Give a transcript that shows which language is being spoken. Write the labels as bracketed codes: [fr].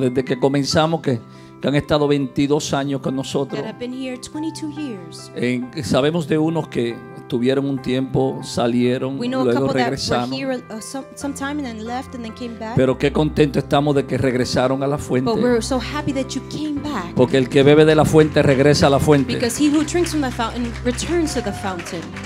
[es] Desde que comenzamos, que han estado 22 años con nosotros. [en] That have been here 22 years. [es] Sabemos de unos que tuvieron un tiempo, salieron, luego regresaron. [en] We know a couple that were here some time and then left and then came back. [es] Pero qué contento estamos de que regresaron a la fuente. [en] But we're so happy that you came back. [es] Porque el que bebe de la fuente regresa a la fuente. [en] Because he who drinks from the fountain returns to the fountain.